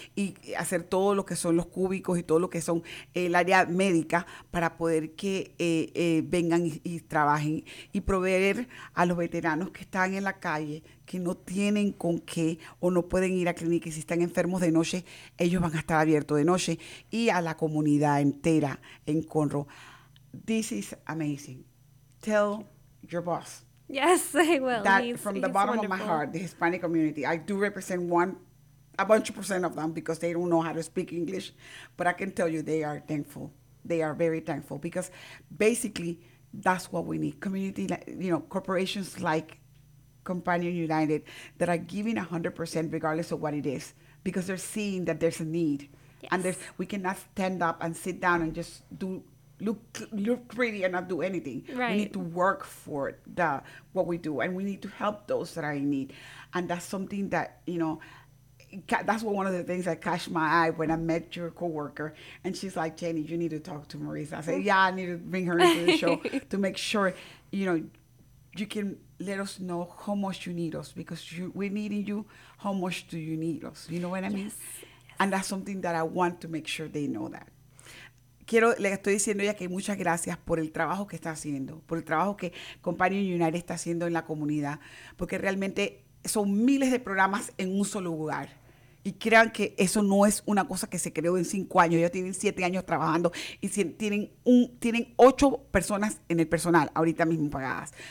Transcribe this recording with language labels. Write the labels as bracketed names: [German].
[Spanish] y hacer todo lo que son los cúbicos y todo lo que son el área médica para poder que vengan y trabajen y proveer a los veteranos que están en la calle, que no tienen con qué o no pueden ir a clínica, y si están enfermos de noche, ellos van a estar abiertos de noche, y a la comunidad entera en Conroe. [English] This is amazing. Tell your boss. Yes, I will. That he's, from the he's bottom wonderful. Of my heart, the Hispanic community, I do represent a bunch of percent of them because they don't know how to speak English. But I can tell you they are thankful. They are very thankful because basically that's what we need. Community, you know, corporations like Companion United that are giving 100% regardless of what it is, because they're seeing that there's a need. Yes. And we cannot stand up and sit down and just look pretty and not do anything. Right. We need to work for what we do, and we need to help those that are in need. And that's something that, you know, that's one of the things that catch my eye when I met your coworker, and she's like, Jenny, you need to talk to Marisa. I said, yeah, I need to bring her into the show to make sure, you know, you can let us know how much you need us, because we're needing you. How much do you need us? You know what I mean? Yes. And that's something that I want to make sure they know that. [Spanish] Quiero, le estoy diciendo ya que muchas gracias por el trabajo que está haciendo, por el trabajo que Companion United está haciendo en la comunidad, porque realmente son miles de programas en un solo lugar. Y crean que eso no es una cosa que se creó en 5 años. Ellos tienen 7 años trabajando y tienen 8 personas en el personal ahorita mismo pagadas.